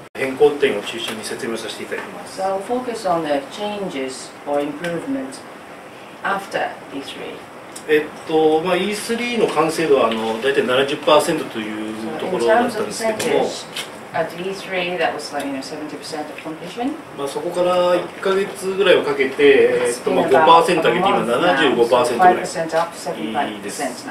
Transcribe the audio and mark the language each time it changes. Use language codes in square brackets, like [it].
[ja] 変更点を中心に説明させていただきます。 [en] So I'll focus on the changes or improvement after E3. [ja] E3 の完成度は大体 70% というところだったんですけども、そこから1ヶ月ぐらいをかけて、5% 上げて今 75% ぐらいです。